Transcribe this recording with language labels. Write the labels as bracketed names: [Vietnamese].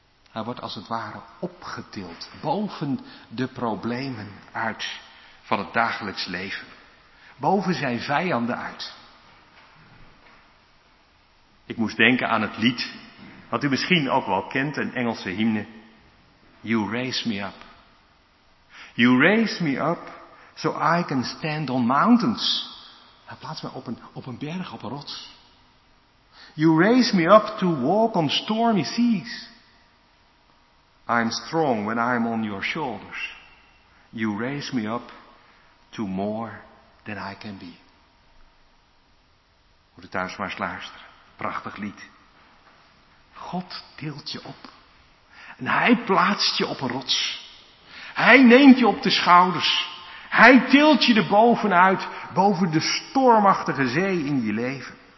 [Dutch] Hij wordt als het ware opgetild. Boven de problemen uit van het dagelijks leven. Boven zijn vijanden uit. Ik moest denken aan het lied wat u misschien ook wel kent, een Engelse hymne. [English] You raise me up. You raise me up so I can stand on mountains. [Dutch] Hij plaatst mij op een berg, op een rots. [English] You raise me up to walk on stormy seas. I'm strong when I'm on your shoulders. You raise me up to more than I can be. [Dutch] Moet u thuis maar eens luisteren. Prachtig lied. God tilt je op. En hij plaatst je op een rots. Hij neemt je op de schouders. Hij tilt je erbovenuit, boven de stormachtige zee in je leven.